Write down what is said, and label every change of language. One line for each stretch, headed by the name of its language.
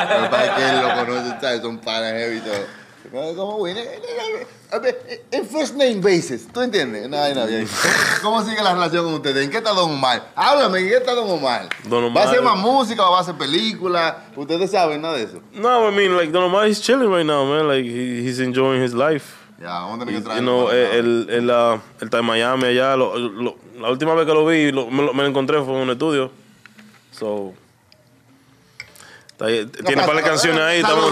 Spanish: Para que él lo conoce, son panas heavy todo. ¿Cómo viene? en
English: first name basis,
Spanish: ¿tú entiendes? No, hay nadie. ¿Cómo sigue la relación con ustedes? ¿En qué está Don Omar? Háblame, ¿en qué está Don Omar? Don Omar. ¿Va a hacer más música o va a hacer película? ¿Ustedes saben nada de eso?
English: No, I mean, like, Don Omar is chilling right now, man. Like, he's enjoying his life. Ya, yeah,
Spanish: vamos a tener que traer.
English: You know,
Spanish: él está en Miami allá. La última vez que lo vi, me lo encontré fue en un estudio. So. Tiene un par de canciones ahí.